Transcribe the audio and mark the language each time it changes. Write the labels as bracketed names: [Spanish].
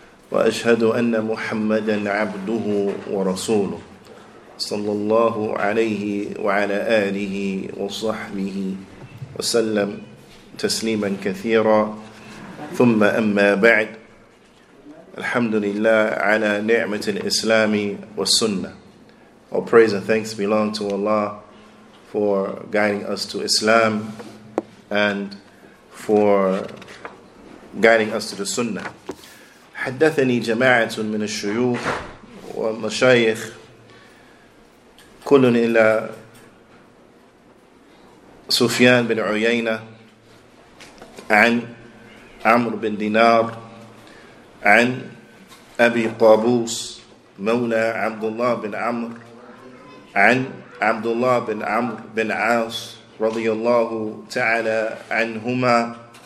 [Arabic] وأشهد أن محمدا عبده ورسوله صلى الله عليه وعلى آله وصحبه وسلم تسليما كثيرا ثم أما بعد الحمد لله على نعمة الإسلام والسنة. [English] All praise and thanks belong to Allah for guiding us to Islam and for guiding us to the Sunnah. [Arabic] حدثني جماعة من الشيوخ والمشايخ كل إلى سفيان بن عيينة عن عمرو بن دينار عن أبي قابوس مولى عبد الله بن عمرو عن عبد الله بن عمرو بن عاص رضي الله تعالى عنهما